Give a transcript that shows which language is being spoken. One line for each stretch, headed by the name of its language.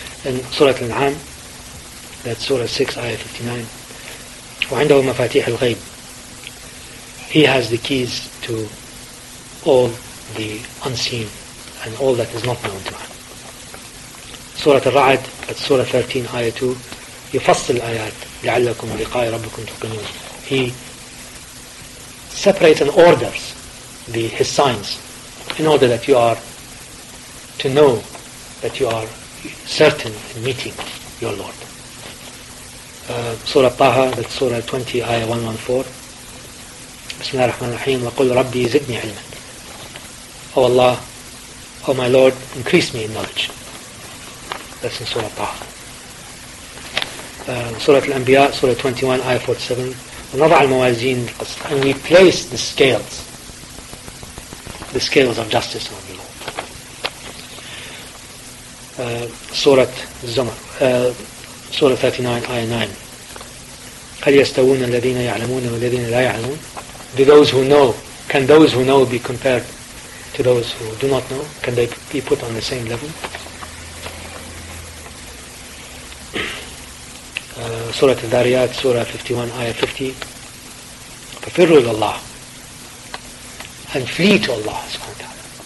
English: In Surah Al-An'am, that's Surah 6, Ayah 59.
Arabic: وعنده مفاتيح الغيب.
English: He has the keys to all the unseen and all that is not known to Him. Surah Al-Ra'd, that's Surah 13, Ayah 2.
Arabic: يفصل الآيات لعلكم لقائي ربكم تقنون.
English: He separates and orders His signs in order that you are to know that you are certain in meeting your Lord. Surah Taha, that's Surah 20, Ayah 114. Bismillah ar-Rahman ar-Rahim.
Arabic: وَقُلْ رَبِّي زِدْنِي عِلْمًا.
English: O Allah, O my Lord, increase me in knowledge. That's in Surah Taha. Surah Al-Anbiya, Surah 21, Ayah 47.
Arabic: نضع الموازين القسط.
English: And we place the scales of justice on the law. Surah Zumar, Surah 39, Ayah 9.
Arabic: هل يستوون الذين يعلمون والذين لا يعلمون.
English: Do those who know, can those who know be compared to those who do not know? Can they be put on the same level? Surah Al-Dariyat, Surah 51, Ayah 50.
Arabic: فَفِرُّوا إِلَى اللَّهِ
English: and flee to Allah subhanahu wa ta'ala.